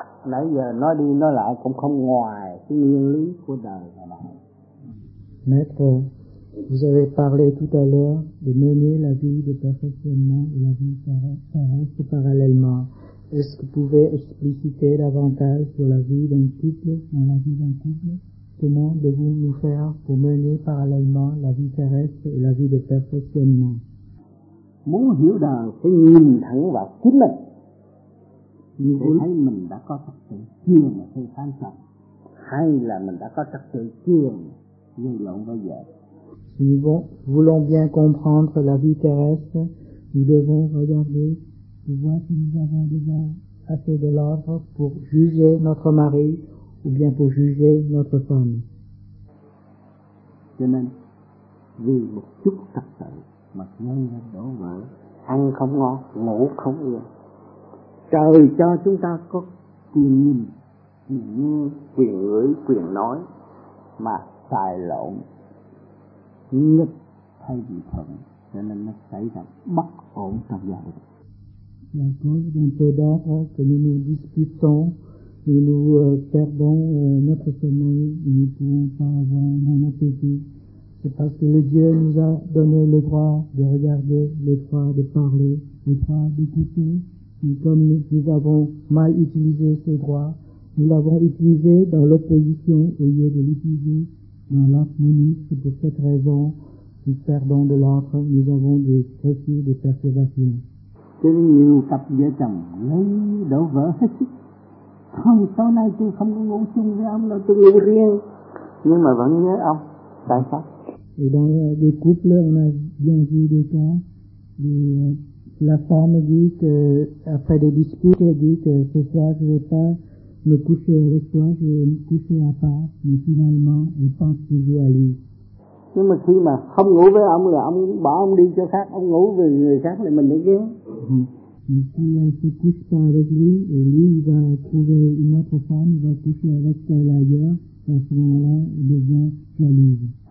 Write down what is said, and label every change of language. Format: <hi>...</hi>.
<vi>Nãy giờ nói đi nói lại cũng không ngoài cái nguyên lý của đời là bạn.</vi> <fr>Maître, vous avez parlé tout à l'heure de mener la vie de perfectionnement et la vie terrestre parallèlement. Est-ce que vous pouvez expliciter davantage sur la vie d'un couple dans la vie d'un couple? Comment devons-nous faire pour mener parallèlement la vie terrestre et la vie de perfectionnement?</fr> <vi>Muốn hiểu đời phải nhìn thẳng vào chính mình. Nhìn thấy mình đã có trật tự chưa mà hơi than thở, hay là mình đã có trật tự chưa mà lộn bây giờ.</vi> <fr>Si nous voulons bien comprendre la vie terrestre, nous devons regarder et voir si nous avons déjà assez de l'ordre pour juger notre mari ou bien pour juger notre femme.</fr> <vi>Cho nên, vì một chút trật tự mà nhân nhân đổ vỡ, ăn không ngon, ngủ không yên. Trời cho chúng ta có quyền nhìn, quyền nghe, quyền ngửi, quyền nói mà xài lộn. Nghịch thay vì thuận, cho nên nó xảy ra bất ổn trong gia đình.</vi> <fr>La cause d'un peu d'ordre que nous nous disputons, nous nous perdons notre sommeil, nous ne pouvons pas avoir un appétit. C'est parce que le Dieu nous a donné le droit de regarder, le droit de parler, le droit d'écouter. Et comme nous avons mal utilisé ce droit, nous l'avons utilisé dans l'opposition au lieu de l'utiliser dans l'harmonie. C'est pour cette raison, nous perdons de l'ordre, nous avons des soucis de perturbation.</fr> <vi>Cho nên nhiều cặp vợ chồng lấy đổ vỡ hết sức. Không, tối nay tôi không có ngủ chung với ông đâu, tôi ngủ riêng. Nhưng mà vẫn nhớ ông. Tại sao?</vi> <fr>Et dans les couples, on a bien vu des cas. La femme dit que, après des disputes, elle dit que ce soir, je ne vais pas me coucher avec toi, je vais me coucher à part. Mais finalement, elle pense toujours à lui.</fr> <vi>Nhưng mà khi mà không ngủ với ông là ông bỏ ông đi cho khác, ông ngủ với người khác thì mình mới ghét.</vi> <fr>Mais si elle ne se couche pas avec lui, et lui il va trouver une autre femme, il va coucher avec elle ailleurs, à ce moment-là, il devient jalouse.</fr>